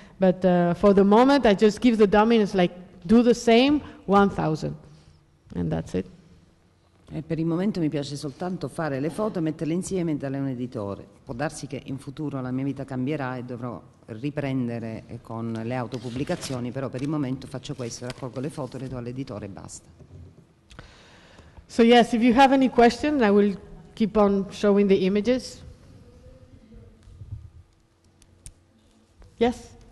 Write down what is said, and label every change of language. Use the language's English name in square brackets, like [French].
[English] But for the moment, I just give the dummy and it's like, do the same, 1,000. And that's it. [Italian] E per il momento mi piace soltanto fare le foto, metterle insieme e darle a un editore. Può darsi che in futuro la mia vita cambierà e dovrò riprendere con le autopubblicazioni, però per il momento faccio questo, raccolgo le foto, le do all'editore e basta. [English] So yes, if you have any questions, I will keep on showing the images. Yes.